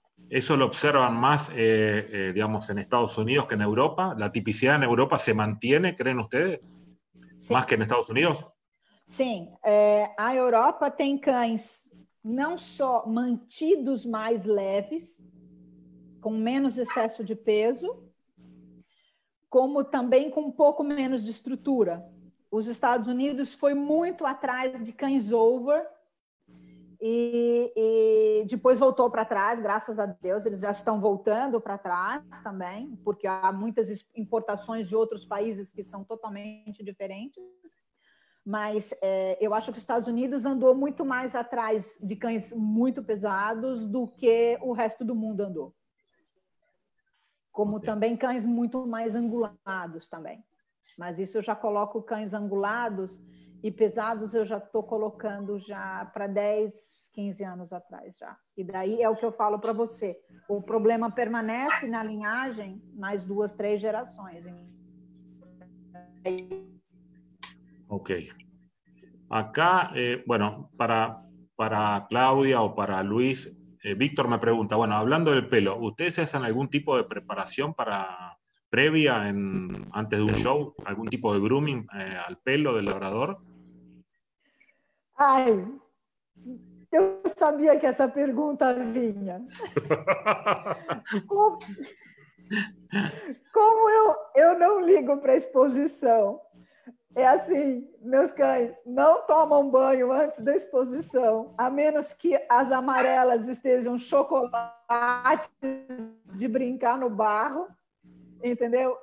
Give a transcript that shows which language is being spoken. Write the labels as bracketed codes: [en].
[es] Eso lo observan más, digamos, en Estados Unidos que en Europa. ¿La tipicidad en Europa se mantiene, creen ustedes? Sí. ¿Más que en Estados Unidos? Sí. [pt] A Europa tem cães não só mantidos mais leves, com menos excesso de peso, como também com um pouco menos de estrutura. Os Estados Unidos foi muito atrás de cães over, E depois voltou para trás, graças a Deus, eles já estão voltando para trás também, porque há muitas importações de outros países que são totalmente diferentes. Mas é, eu acho que os Estados Unidos andou muito mais atrás de cães muito pesados do que o resto do mundo andou. Como também cães muito mais angulados também. Mas isso eu já coloco cães angulados e pesados, eu já estou colocando já para 10, 15 anos atrás já. E daí é o que eu falo para você. O problema permanece na linhagem mais duas, três gerações. Ok. [es] Acá, bueno, para Claudia o para Luis, Víctor me pregunta, bueno, hablando del pelo, ¿ustedes hacen algún tipo de preparación para previa en, antes de un show, algún tipo de grooming al pelo del labrador? Ay, yo sabía que esa pregunta vinha. [pt] Como eu não ligo para exposição. É assim, meus cães não tomam banho antes da exposição, a menos que as amarelas estejam chocolates de brincar no barro, entendeu?